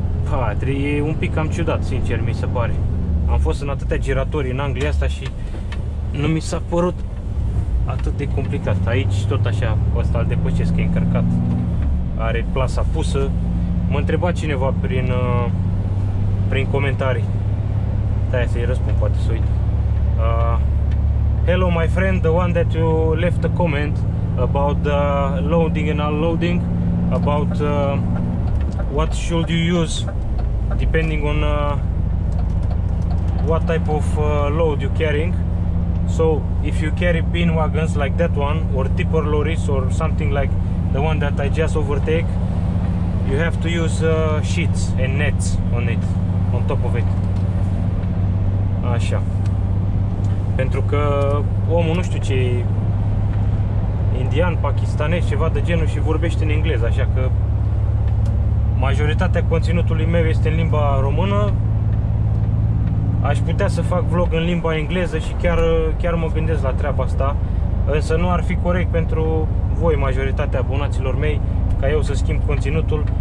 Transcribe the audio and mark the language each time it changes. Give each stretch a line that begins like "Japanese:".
Romanian: Pa, e un pic cam ciudat, sincer, mi se pare. Am fost în atâtea giratorii în Anglia asta și nu mi s-a părut atât de complicat. Aici tot așa, ăsta îl depășesc, că e încărcat. Are plasa pusă. M-a întrebat cineva prin comentarii. Da, să-i răspund, poate să uit.
English: Hello, my friend, the one that you left a comment about the loading and unloading, about what should you use depending on what type of load you carrying. So if you carry bin wagons like that one or tipper lorries or something like the one that I just overtake, you have to use sheets and nets on it, on top of it.
Romanian: Așa. Pentru că omul, nu știu ce, indian, pakistanez, ceva de genul, și vorbește în engleză, așa că majoritatea conținutului meu este în limba română. Aș putea să fac vlog în limba engleză și chiar mă gândesc la treaba asta, însă nu ar fi corect pentru voi, majoritatea abonaților mei, ca eu să schimb conținutul.